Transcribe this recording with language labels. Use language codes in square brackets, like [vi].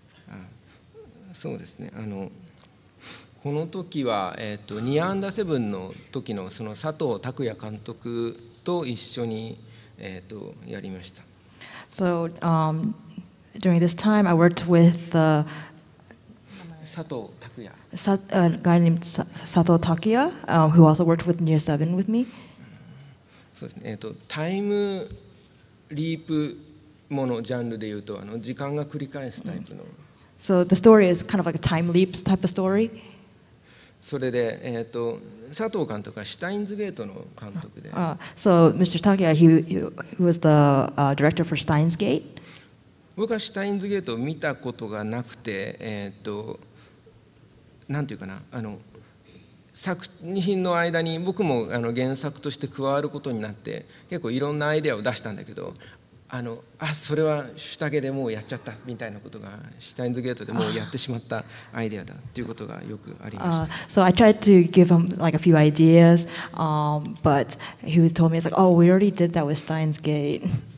[ja] あ、そうですね。この時は、ニアアンダーセブンの時のその佐藤拓也監督と一緒に、やりました。 [en] So, during this time, I worked with the [ja] 佐藤拓也。 [en] Guy named Sato Takuya, who also worked with Near 7 with me. [ja] そうですね。タイムリープものジャンルでいうと、時間が繰り返すタイプの。 [en] So the story is kind of like a time leaps type of story. [ja] それで、佐藤監督はシュタインズゲートの監督で。 [en] So Mr. Takuya, he was the director for Steins Gate. [ja] 僕はシュタインズゲートを見たことがなくて、なんていうかな、作品の間に僕も原作として加わることになって、結構いろんなアイデアを出したんだけど、それはシュタゲでもうやっちゃったみたいなことが、シュタインズゲートでもうやってしまったアイデアだということがよくありました。 [en] So I tried to give him like a few ideas, but he was told me, it's like, oh, we already did that with Steins Gate.